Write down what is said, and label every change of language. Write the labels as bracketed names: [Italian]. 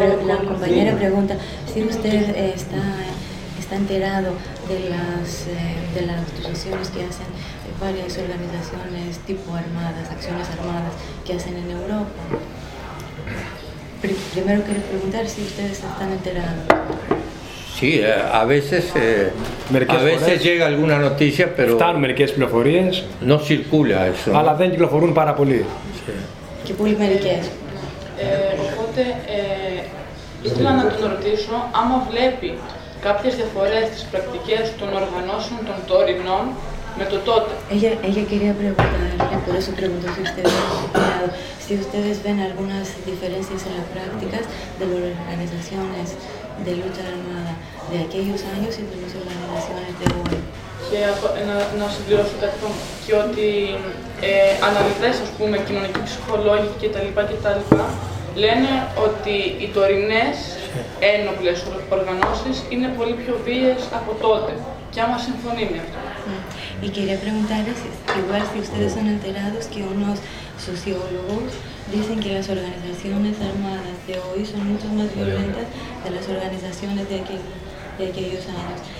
[Spanish] La compañera pregunta, si usted está enterado de las acusaciones que hacen varias organizaciones tipo armadas, acciones armadas que hacen en Europa. Primero quiero preguntar si ustedes están enterados. Sí, a veces llega alguna noticia, pero [Greek] φτάνουν μερικές πληροφορίες. [Spanish] No circula eso. [Greek] Αλλά δεν κυκλοφορούν πάρα πολύ. [Spanish] Sí. [Greek] Και πολύ μερικές. Οπότε, ήθελα να τον ρωτήσω, άμα βλέπει κάποιες διαφορές στις πρακτικές των οργανώσεων των τωρινών με το τότε. [Spanish] Ella quería preguntar, por eso preguntó si ustedes, si ustedes ven algunas diferencias en las prácticas de las organizaciones de lucha armada de aquellos años y de las organizaciones de hoy. [Greek] Και να συμπληρώσω κάτι ακόμα. Και ότι αναλυτές, ας πούμε, κοινωνικοί ψυχολόγοι κτλ. Λένε ότι οι τωρινές ένοπλες οργανώσεις είναι πολύ πιο βίαιες από τότε. Και άμα συμφωνεί με αυτό. [Spanish] Y quería preguntarles, igual si ustedes son enterados, que unos sociólogos dicen que las organizaciones armadas de hoy son mucho más violentas de las organizaciones de aquellos años.